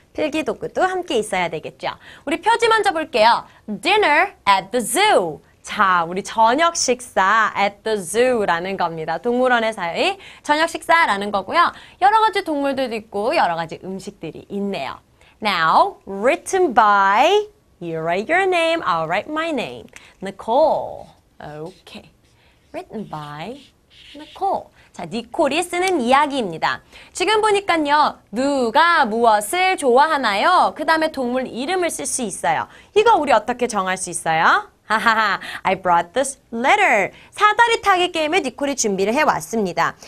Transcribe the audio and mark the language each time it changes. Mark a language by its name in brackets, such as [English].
[Korean] 필기 도구도 함께 있어야 되겠죠. 우리 표지 먼저 볼게요. Dinner at the Zoo. 자, 우리 저녁 식사 [English] at the zoo [Korean] 라는 겁니다. 동물원에서의 저녁 식사라는 거고요. 여러 가지 동물들도 있고 여러 가지 음식들이 있네요. [English] Now, written by, you write your name, I'll write my name. Nicole. Okay. Written by Nicole. [Korean] 자, 니콜이 쓰는 이야기입니다. 지금 보니까요, 누가 무엇을 좋아하나요? 그 다음에 동물 이름을 쓸수 있어요. 이거 우리 어떻게 정할 수 있어요? [English] 하하하, I brought this letter. [Korean] 사다리 타기 게임을 니콜이 준비를 해왔습니다.